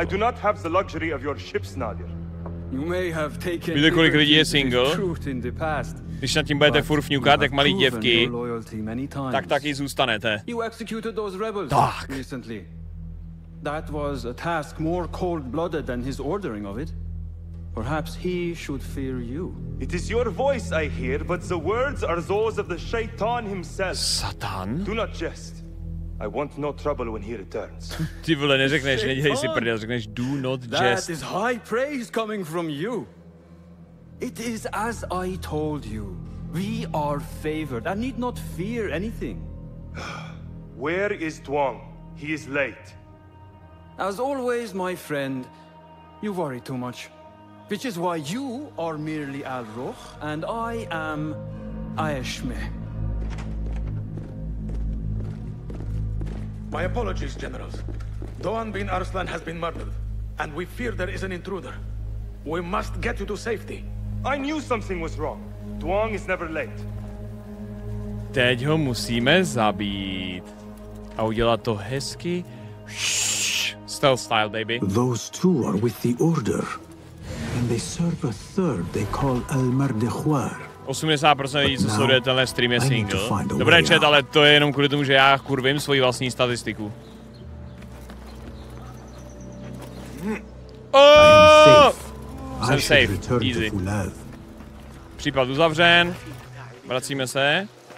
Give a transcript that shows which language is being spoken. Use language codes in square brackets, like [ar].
[en] I do not have the luxury of your ships, Nadir. [cs] You may have taken víte, kolik lidí je single? Když nad tím budete furt fňukat, jak malý děvky, tak taky zůstanete. Tak. [en] That was a task more cold-blooded than his ordering of it. Perhaps he should fear you. It is your voice I hear, but the words are those of the Shaitan himself. Satan? Do not jest. I want no trouble when he returns. [cs] Ty vole, neřekneš, nedělej si prdě, řekneš do not jest. [en] That is high praise coming from you. It is as I told you. We are favored. I need not fear anything. Where is Duong? He is late. As always, my friend, you worry too much. Which is why you are merely Al-Rukh, and I am Ayashmeh. My apologies, generals. Doan bin Arslan has been murdered, and we fear there is an intruder. We must get you to safety. I knew something was wrong. Duong is never late. [cs] Teď ho musíme zabít. A udělat to hezky. Stealth style, baby. [en] Those two are with the order. And they serve a third they call Al-Mardikhwar. [cs] 80% lidí, co sleduje tenhle stream, je single. Dobré chat, ale to je jenom kvůli tomu, že já kurvím svoji vlastní statistiku. Oh! Jsem safe, easy. Případ uzavřen. Vracíme se.